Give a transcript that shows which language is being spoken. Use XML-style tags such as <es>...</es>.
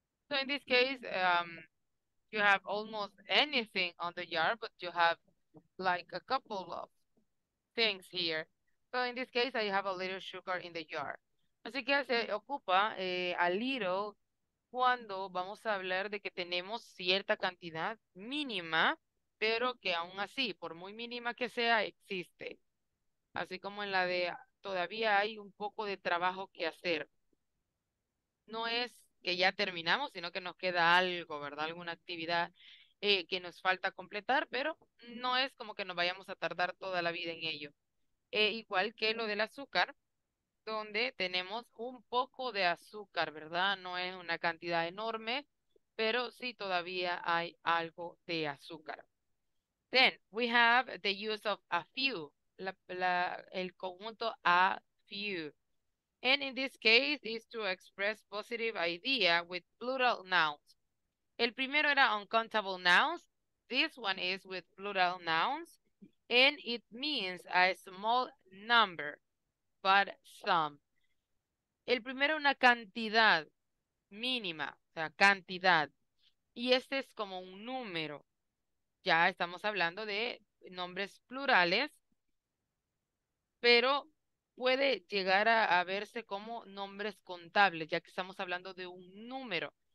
<en>So in this case, you have almost anything on the jar, but you have like a couple of things here. So in this case, I have a little sugar in the jar.</en> <es>Así que se ocupa a little cuando vamos a hablar de que tenemos cierta cantidad mínima, pero que aún así, por muy mínima que sea, existe. Así como en la de todavía hay un poco de trabajo que hacer. No es que ya terminamos, sino que nos queda algo, ¿verdad? Alguna actividad que nos falta completar, pero no es como que nos vayamos a tardar toda la vida en ello. Igual que lo del azúcar, donde tenemos un poco de azúcar, ¿verdad? No es una cantidad enorme, pero sí todavía hay algo de azúcar.</es> <en>Then, we have the use of a few,</en> <es>el conjunto</es> <en>a few. And in this case, is to express positive idea with plural nouns.</en> <es>El primero era</es> <en>uncountable nouns. This one is with plural nouns. And it means a small number, but some.</en> <es>El primero una cantidad mínima, o sea, cantidad. Y este es como un número. Ya estamos hablando de nombres plurales, pero puede llegar a verse como nombres contables, ya que estamos hablando de un número.</es>